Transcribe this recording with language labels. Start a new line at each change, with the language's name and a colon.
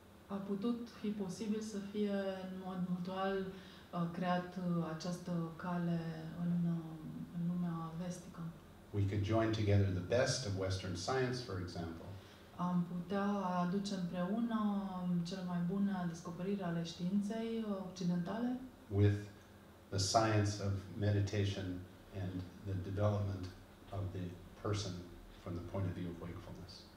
Romanian: A putut fi posibil să fie în mod mutual creat această cale în lumea vestică.
English: We could join together the best of Western science, for example.
Romanian: Am putea aduce împreună cele mai bune descoperiri ale științei occidentale
English: with the science of meditation and the development of the person from the point of view of wakefulness.